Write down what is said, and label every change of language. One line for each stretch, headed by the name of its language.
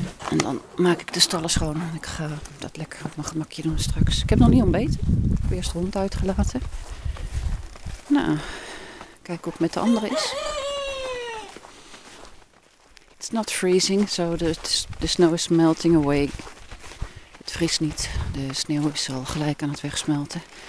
Dutch: En dan maak ik de stallen schoon en ik ga dat lekker op mijn gemakje doen straks. Ik heb nog niet ontbeten. Ik heb eerst de hond uitgelaten. Nou, kijk hoe het met de andere is.
English: It's not freezing, so the snow is melting away. It
Dutch: vriest niet. De sneeuw is al gelijk aan het wegsmelten.